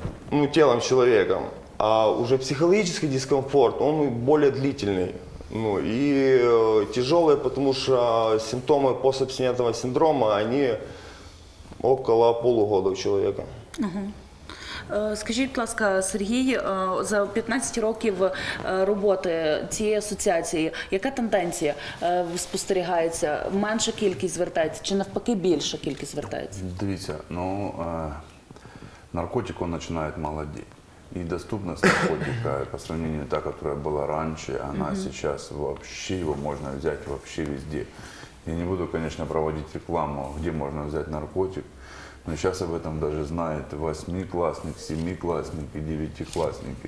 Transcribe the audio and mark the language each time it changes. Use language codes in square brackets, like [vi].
[ru] ну, телом человека, а уже психологический дискомфорт, он более длительный, ну, и тяжелый, потому что симптомы постабстинентного синдрома, они около полугода у человека. [uk] Скажіть, будь ласка, Сергій, за 15 років роботи цієї асоціації, яка тенденція спостерігається? Менша кількість звертається чи навпаки більша кількість звертається? Дивіться, ну, наркотики починають молоді. [ru] И доступность наркотика по сравнению с та, которая была раньше, она сейчас вообще, его можно взять вообще везде. Я не буду, конечно, проводить рекламу, где можно взять наркотик, но сейчас об этом даже знает восьмиклассник, семиклассник и девятиклассник.